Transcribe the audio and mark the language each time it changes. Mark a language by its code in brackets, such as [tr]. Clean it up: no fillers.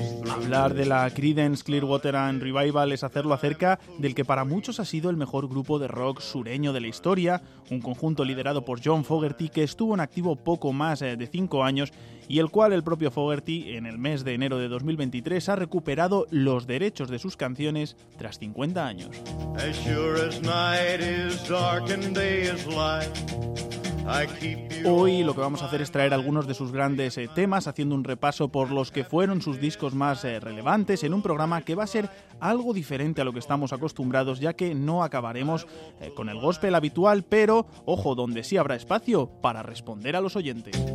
[es] Hablar de la Creedence Clearwater and Revival es hacerlo acerca del que para muchos ha sido el mejor grupo de rock sureño de la historia, un conjunto liderado por John Fogerty, que estuvo en activo poco más de 5 años y el cual el propio Fogerty, en el mes de enero de 2023, ha recuperado los derechos de sus canciones tras 50 años. [en] As sure as night is dark and day is light. [es] Hoy lo que vamos a hacer es traer algunos de sus grandes temas, haciendo un repaso por los que fueron sus discos más relevantes en un programa que va a ser algo diferente a lo que estamos acostumbrados, ya que no acabaremos con el gospel habitual, pero ojo, donde sí habrá espacio para responder a los oyentes.